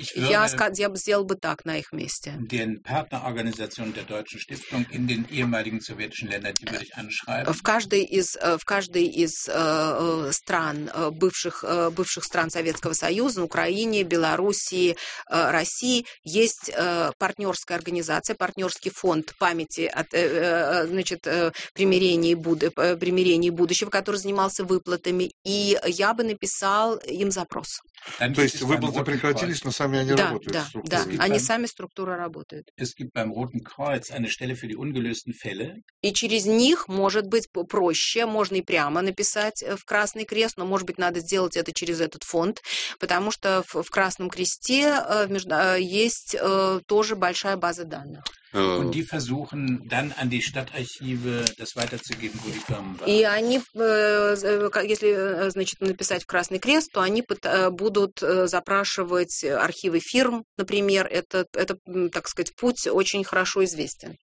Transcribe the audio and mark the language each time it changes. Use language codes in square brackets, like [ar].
[ru] Я бы сделал бы так на их месте. [de] Den Partnerorganisationen der deutschen Stiftung in den ehemaligen sowjetischen Ländern, die würde ich anschreiben. [ru] В каждой из стран бывших стран Советского Союза, Украине, Белоруссии, России есть партнерская организация, партнерский фонд памяти от примирения и будущего, который занимался выплатами, и я бы написал им запрос. То есть выплаты прекратились, но сами они работают. Да, да, они сами структура работают. [de] Es gibt beim Roten Kreuz eine Stelle für die ungelösten Fälle. [ru] И через них может быть проще, можно и прямо написать в Красный Крест, но может быть надо сделать это через этот фонд, потому что в Красном Кресте есть тоже большая база данных. [de] Und die versuchen dann an die Stadtarchive das weiterzugeben, wo die Firmen waren. [ru] И они, если, значит, написать в Красный Крест, то они будут запрашивать архивы фирм, например. Это, так сказать, путь очень хорошо известен.